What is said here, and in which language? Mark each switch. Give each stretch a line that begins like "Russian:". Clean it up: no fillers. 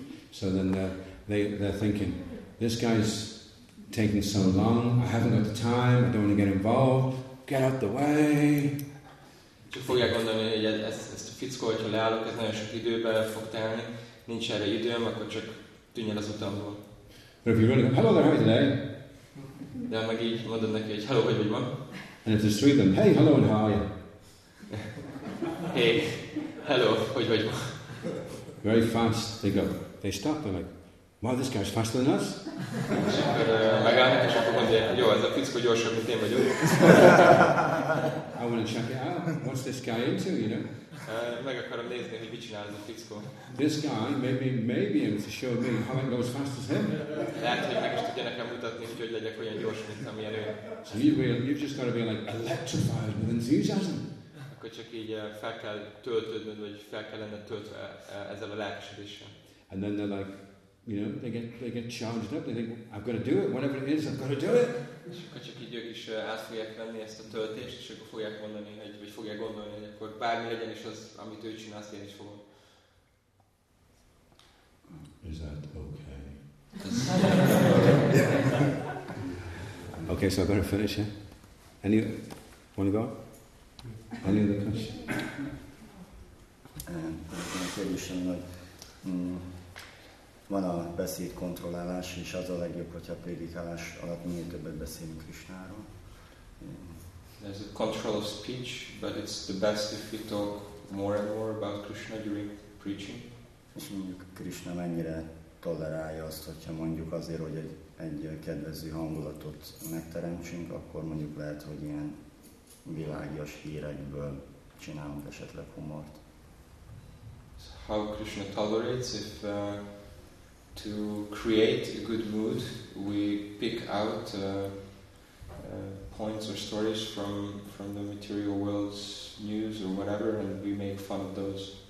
English: So then they're thinking, this guy's taking so long, I haven't got the time, I don't want to get involved, get out the way.
Hungarian: Csak fogják gondolni, hogy ezt a fickó, hogyha leállok, ez nagyon sok időbe fog telni. Nincs erre időm, akkor csak tűnj el az utamból.
English: But if you really go, hello there, how are you today?
Hungarian: De meg így mondod neki, hogy hello, hogy vagy ma?
English: And if there's three of them, hey, hello, and how are you?
Hungarian: Hey, hello, hogy vagy ma?
English: Very fast, they go, they stop, they're like, wow, this guy's faster than us?
Hungarian: És akkor megállnak, és akkor mondja, jó, ez a fickó gyorsabb, mint én vagyok.
English: I want to check it out, what's this guy into, you know?
Hungarian: Meg akarom nézni, hogy mit csinál ez a fickó.
English: This guy maybe able to show me how it goes fast as him.
Hungarian: Lehet, hogy meg is tudja nekem mutatni, hogy legyek olyan gyors, mint amilyen ő.
English: So you've just got to be like electrified with enthusiasm.
Hungarian: Akkor csak így fel kell töltődnöd, vagy fel kell lenned töltve ezzel a lelkesedéssel.
English: And then they're like, you know, they get charged up. They think, I've got to do it, whatever it is, I've got to do it.
Hungarian: És akkor csak így ők is át fogják venni ezt a töltést, és akkor fogják mondani, vagy fogják gondolni, hogy akkor bármi legyen is az, amit ő csinál, azt én is fogom.
English: Is that okay? Okay, so I better finish it. Yeah? Any, want to go? Any other questions?
Hungarian: A kérdésem, hogy van a beszéd kontrollálás, és az a legjobb, hogyha a prédikálás alatt minél többet beszélünk Krisnáról.
English: There's a control of speech, but it's the best if we talk more and more about Krishna during preaching.
Hungarian: És mondjuk Krishna mennyire tolerálja azt, hogyha mondjuk azért, hogy egy kedvező hangulatot megteremtsünk, akkor mondjuk lehet, hogy ilyen világias hírekből csinálunk esetleg humort.
English: So how Krishna tolerates if to create a good mood we pick out points or stories from the material world's news or whatever and we make fun of those.